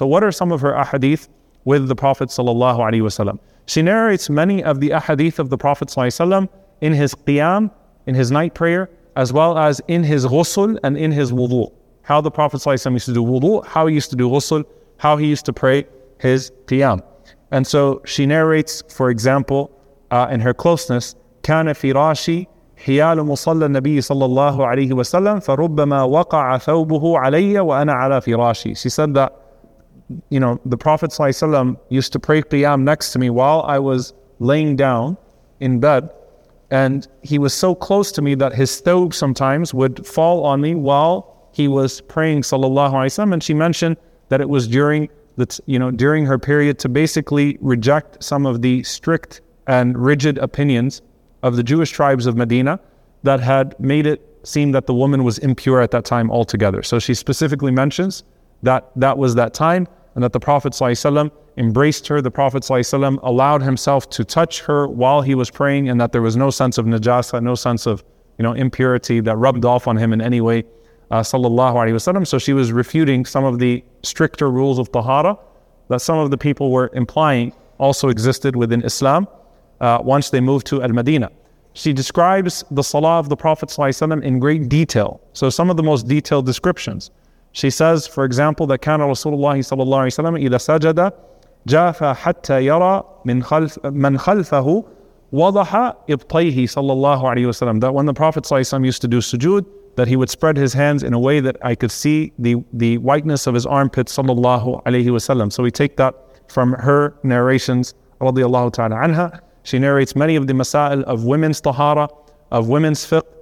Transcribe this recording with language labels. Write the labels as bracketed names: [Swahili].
[English] So what are some of her ahadith with the Prophet sallallahu alaihi wasallam? She narrates many of the ahadith of the Prophet sallallahu alaihi wasallam in his qiyam, in his night prayer, as well as in his ghusl and in his wudu. How the Prophet sallallahu alaihi wasallam used to do wudu, how he used to do ghusl, how he used to pray his qiyam. And so she narrates, for example, in her closeness, [Arabic] كان في راشي حيال مصلى النبي صلى الله عليه وسلم فربما وقع ثوبه علي وأنا على فراشي. [English] She said that, you know, the Prophet sallallahu alaihi wasallam used to pray qiyam next to me while I was laying down in bed, and he was so close to me that his thawb sometimes would fall on me while he was praying sallallahu alaihi wasallam. And she mentioned that it was during the during her period to basically reject some of the strict and rigid opinions of the Jewish tribes of Medina that had made it seem that the woman was impure at that time altogether. So she specifically mentions that that was that time and that the Prophet ﷺ embraced her, the Prophet ﷺ allowed himself to touch her while he was praying, and that there was no sense of najasa, no sense of, you know, impurity that rubbed off on him in any way, sallallahu alaihi wasallam. So she was refuting some of the stricter rules of tahara that some of the people were implying also existed within Islam. Once they moved to Al-Madinah, she describes the Salah of the Prophet ﷺ in great detail. So some of the most detailed descriptions. She says, for example, that [Arabic] كان رسول الله صلى الله عليه وسلم إذا سجد جاف حتى يرى من خلفه وضح إبطيه صلى الله عليه وسلم. [English] That when the Prophet ﷺ used to do sujood, that he would spread his hands in a way that I could see the whiteness of his armpits [Arabic] صلى الله عليه وسلم. [English] So we take that from her narrations [Arabic] رضي الله تعالى عنها. [English] She narrates many of the masail of women's tahara, of women's fiqh.